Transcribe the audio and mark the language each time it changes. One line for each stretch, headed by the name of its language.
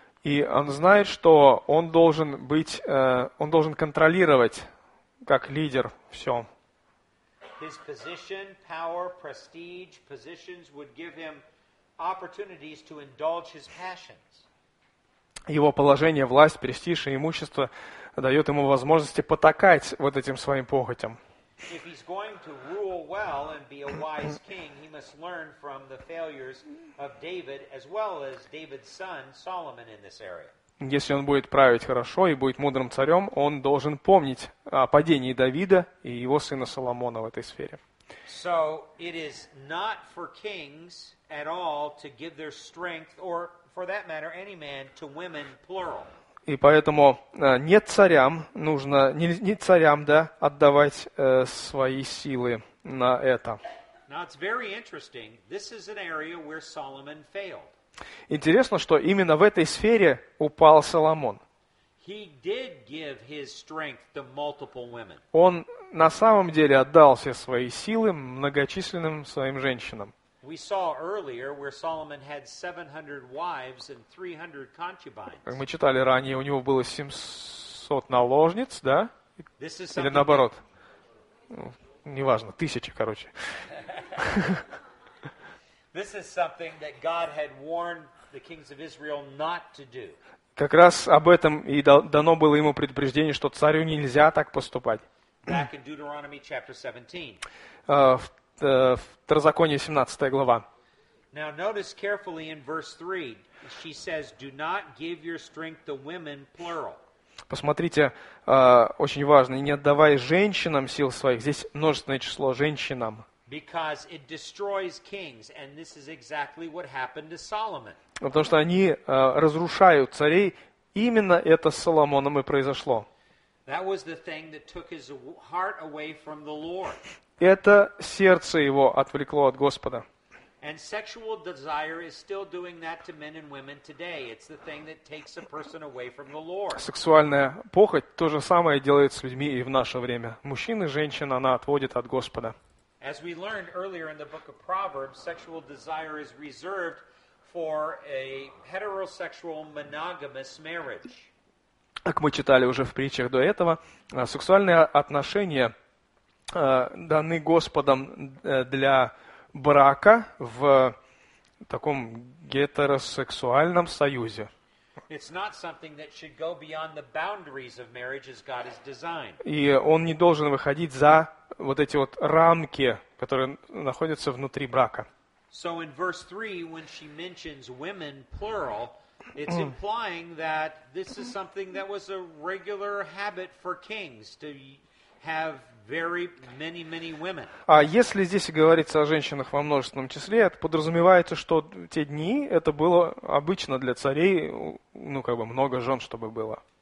Russian: И он знает, что он должен быть, он должен контролировать как лидер, все.
English: His position, power, prestige, positions would give him opportunities to indulge his passions.
Russian: Его положение, власть, престиж и имущество дает ему возможности потакать вот этим своим похотям.
English: If he's going to rule well and be a wise king, he must learn from the failures of David as well as David's son Solomon in this area.
Russian: Если он будет править хорошо и будет мудрым царем, он должен помнить о падении Давида и его сына Соломона в этой сфере.
English: So it is not for kings at all to give their strength, or for that matter, any man, to women, plural.
Russian: И поэтому не царям нужно, не царям, да, отдавать свои силы на это.
English: Now it's very interesting. This is an area where Solomon failed.
Russian: Интересно, что именно в этой сфере упал Соломон.
English: He did give his strength to multiple women.
Russian: Он на самом деле отдал все свои силы многочисленным своим женщинам.
English: We saw earlier where Solomon had 700 wives and 300 concubines.
Russian: Как мы читали ранее, у него было 700 наложниц, да?
English: This is
Russian: Или наоборот. Неважно, тысячи, короче.
English: This is something that God had warned the kings of Israel not to do.
Russian: Как раз об этом и дано было ему предупреждение, что царю нельзя так поступать.
English: Back in Deuteronomy chapter 17.
Russian: В Второзаконии 17 глава.
English: Now notice carefully in verse 3. She says, "Do not give your strength to women, plural."
Russian: Посмотрите, очень важно, не отдавай женщинам сил своих. Здесь множественное число женщинам.
English: Because it destroys kings, and this is exactly what happened to Solomon.
Russian: Потому что они разрушают царей. Именно это с Соломоном и произошло.
English: That was the thing that took his heart away from the Lord.
Russian: Это сердце его отвлекло от Господа.
English: And sexual desire is still doing that to men and women today. It's the thing that takes a person away from the Lord.
Russian: Сексуальная похоть то же самое делает с людьми и в наше время. Мужчин и женщин она отводит от Господа.
English: As we learned earlier in the book of Proverbs, sexual desire is reserved for a heterosexual monogamous marriage.
Russian: Как мы читали уже в притчах до этого, сексуальные отношения даны Господом для брака в таком гетеросексуальном союзе.
English: It's not something that should go beyond the boundaries of marriage as God has designed.
Russian: И он не должен выходить за вот эти вот рамки, которые находятся внутри брака.
English: So in verse 3, when she mentions women plural, it's implying that this is something that was a regular habit for kings to have very many, many women.
Russian: А если здесь говорится о женщинах во множественном числе, это подразумевается, что те дни это было обычно для царей, ну как бы много жен, чтобы было.